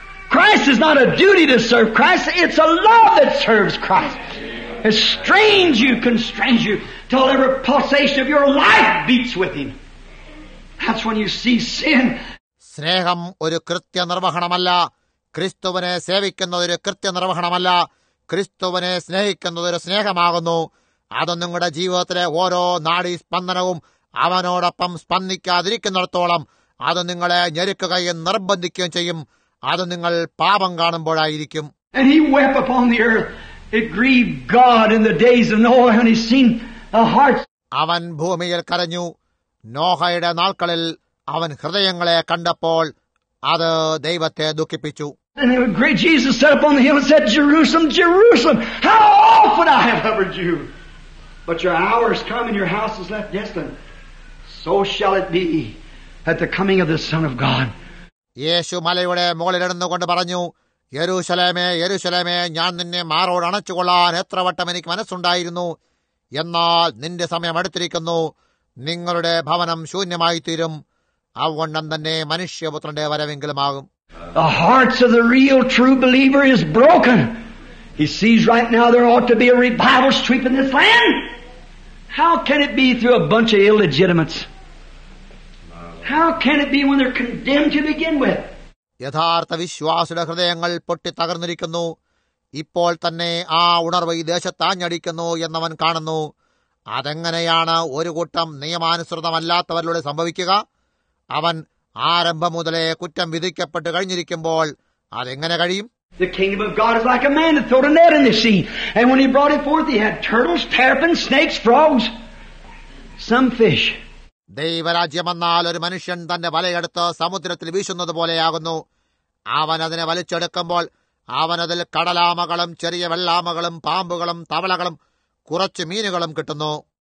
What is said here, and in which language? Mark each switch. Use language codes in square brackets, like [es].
[en] Christ is not a duty to serve Christ. It's a love that serves Christ. It strains you, constrains you, till every pulsation of your life beats with him. That's when you see sin. [ml] സ്നേഹം ഒരു കൃത്യനിർവഹണമല്ല. ക്രിസ്തുവിനെ സേവിക്കുന്നത് ഒരു കൃത്യനിർവഹണമല്ല. ക്രിസ്തുവിനെ സ്നേഹിക്കുന്നത് ഒരു സ്നേഹമാകുന്നു. അത് നിങ്ങളുടെ ജീവിതത്തിലെ ഓരോ നാഡീ സ്പന്ദനവും അവനോടൊപ്പം സ്പന്ദിക്കാതിരിക്കുന്നിടത്തോളം അത് നിങ്ങളെ ഞെരുക്കുകയും നിർബന്ധിക്കുകയും ചെയ്യും. അത് നിങ്ങൾ പാപം കാണുമ്പോഴായിരിക്കും. [en] And he wept upon the earth. It grieved God in the days of Noah when he seen the hearts. [ml] അവൻ ഭൂമിയിൽ കരഞ്ഞു. നോഹയുടെ നാൾക്കളിൽ അവൻ ഹൃദയങ്ങളെ കണ്ടപ്പോൾ അത് ദൈവത്തെ ദുഃഖിപ്പിച്ചു. [en] And the great Jesus sat upon the hill and said, Jerusalem, Jerusalem, how often I have covered you. But your hour has come and your house is left desolate. So shall it be at the coming of the Son of God. [ml] യേശു മലയുടെ മുകളിൽ ഇരുന്നുകൊണ്ട് പറഞ്ഞു, യെരൂശലേമേ യെരൂശലേമേ, ഞാൻ നിന്നെ മാറോട് അണച്ചുകൊള്ളാൻ എത്ര വട്ടം എനിക്ക് മനസ്സുണ്ടായിരുന്നു. എന്നാൽ നിന്റെ സമയം അടുത്തിരിക്കുന്നു. നിങ്ങളുടെ ഭവനം ശൂന്യമായിത്തീരും. അവണ്ണം തന്നെ മനുഷ്യപുത്രന്റെ വരവെങ്കിലും ആകും. [en] The hearts of the real true believer is broken. He sees right now there ought to be a revival sweeping this land. How can it be through a bunch of illegitimates? How can it be when they're condemned to begin with? [ml] യഥാർത്ഥ വിശ്വാസിയുടെ ഹൃദയങ്ങൾ പൊട്ടിത്തകർന്നിരിക്കുന്നു. ഇപ്പോൾ തന്നെ ആ ഉണർവ് ഈ ദേശത്താഞ്ഞടിക്കുന്നു എന്നവൻ കാണുന്നു. അതെങ്ങനെയാണ് ഒരു കൂട്ടം നിയമാനുസൃതമല്ലാത്തവരിലൂടെ സംഭവിക്കുക? അവൻ ആരംഭം മുതലേ കുറ്റം വിധിക്കപ്പെട്ട് കഴിഞ്ഞിരിക്കുമ്പോൾ അതെങ്ങനെ കഴിയും? [en] The kingdom of God is like a man that threw a net in the sea, and when he brought it forth, he had turtles, terrapins, snakes, frogs, some fish. [ml] ദൈവരാജ്യമെന്നാൽ ഒരു മനുഷ്യൻ തന്റെ വലയെടുത്ത് സമുദ്രത്തിൽ വീശുന്നത് പോലെയാകുന്നു. അവനതിനെ വലിച്ചെടുക്കുമ്പോൾ അവനതിൽ കടലാമകളും ചെറിയ വെള്ളാമകളും പാമ്പുകളും തവളകളും കുറച്ച് മീനുകളും കിട്ടുന്നു.